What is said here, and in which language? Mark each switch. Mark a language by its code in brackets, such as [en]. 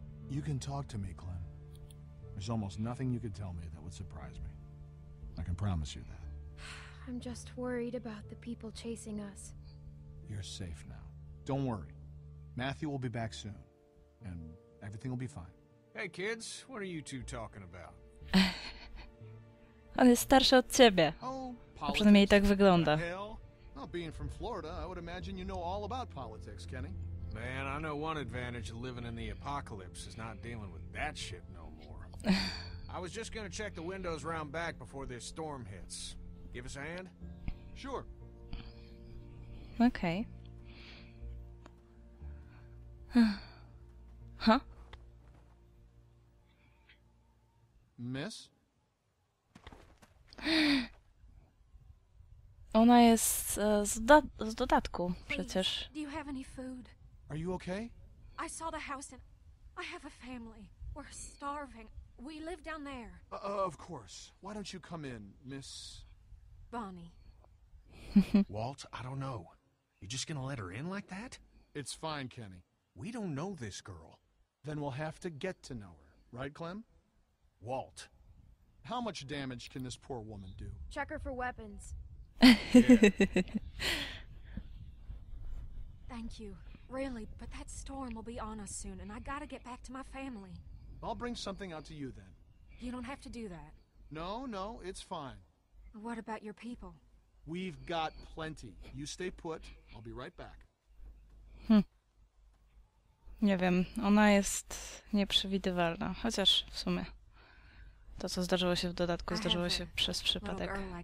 [en] You can talk to me, Clem. There's almost nothing you could tell me that would surprise me. I can promise you that. I'm just worried about the people chasing us. You're safe now. Don't worry. Matthew will be back soon. And everything will be fine. Hey kids, what are you two talking about? [pl] On jest starszy od ciebie. Oh, przynajmniej tak wygląda. [en] Well, being from Florida, I would imagine you know all about politics, Kenny. Man, I know one advantage of living in the apocalypse is not dealing with that shit no more. I was just gonna check the windows round back before this storm hits. Give us a hand? Sure. Okay. Miss? [pl] Ona jest z dodatku, przecież. [en] Do you have any food? Are you okay? I saw the house and I have a family. We're starving. We live down there. Of course. Why don't you come in, Miss... Bonnie. Walt, I don't know. You're just gonna let her in like that? It's fine, Kenny. We don't know this girl. Then we'll have to get to know her. Right, Clem? Walt. How much damage can this poor woman do? Check her for weapons. Thank you. Really, but that storm will be on us soon, and I gotta get back to my family. I'll bring something out to you then. You don't have to do that. No, no, it's fine. What about your people? We've got plenty. You stay put. I'll be right back. [pl] Nie wiem, ona jest nieprzewidywalna, chociaż w sumie to, co zdarzyło się w dodatku, zdarzyło się przez przypadek.